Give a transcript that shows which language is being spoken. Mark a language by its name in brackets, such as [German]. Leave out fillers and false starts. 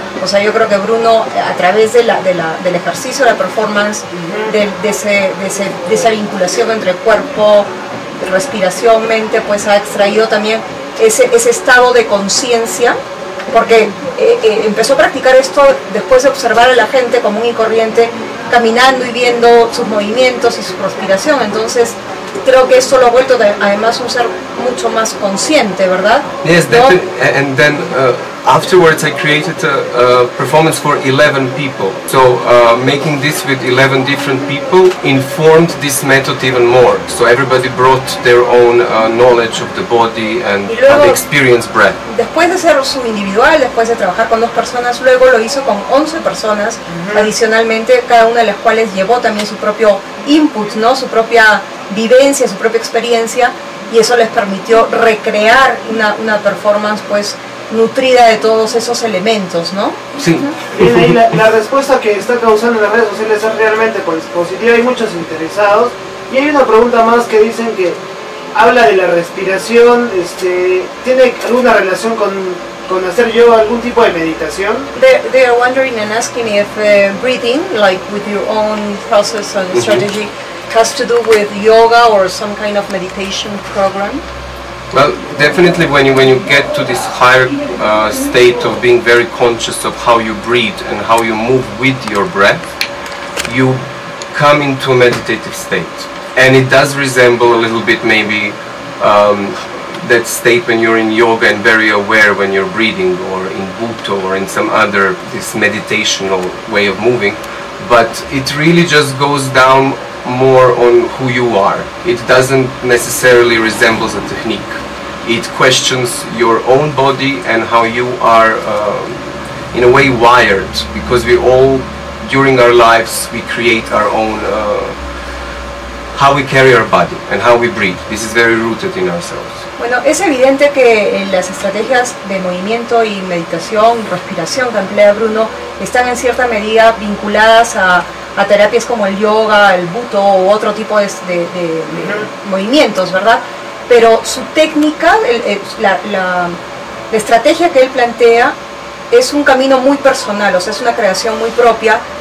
[Spanish] O sea, yo creo que Bruno, a través del ejercicio, la performance, de esa vinculación entre cuerpo, respiración, mente, pues ha extraído también ese estado de conciencia. Porque empezó a practicar esto después de observar a la gente común y corriente caminando y viendo sus movimientos y su respiración. Entonces, creo que esto lo ha vuelto además un ser mucho más consciente, ¿verdad? [English] Yes, ¿no? And then afterwards I created a performance for 11 people. So, making this with 11 different people informed this method even more. So everybody brought their own knowledge of the body and the experience breath. [Spanish] Después de hacer su individual, después de trabajar con 2 personas, luego lo hizo con 11 personas, adicionalmente cada una de las cuales llevó también su propio input, ¿no? Su propia vivencia, su propia experiencia, y eso les permitió recrear una performance pues nutrida de todos esos elementos, ¿no? Sí. Y la respuesta que está causando en las redes sociales es realmente positiva, hay muchos interesados. Y hay una pregunta más que dicen que habla de la respiración, ¿tiene alguna relación con hacer yoga, algún tipo de meditación? [English] They are wondering and asking if breathing, like with your own process and strategy, has to do with yoga or some kind of meditation program. Well, definitely when you get to this higher state of being very conscious of how you breathe and how you move with your breath, you come into a meditative state. And it does resemble a little bit maybe that state when you're in yoga and very aware when you're breathing, or in Bhutto or in some other this meditational way of moving. But it really just goes down more on who you are. It doesn't necessarily resemble a technique. It questions your own body and how you are in a way wired, because we all during our lives we create our own how we carry our body and how we breathe. This is very rooted in ourselves. [Spanish] Bueno, es evidente que las estrategias de movimiento y meditación, respiración que emplea Bruno están en cierta medida vinculadas a terapias como el yoga, el Bhutto u otro tipo de movimientos, ¿verdad? Pero su técnica, la estrategia que él plantea es un camino muy personal, o sea, es una creación muy propia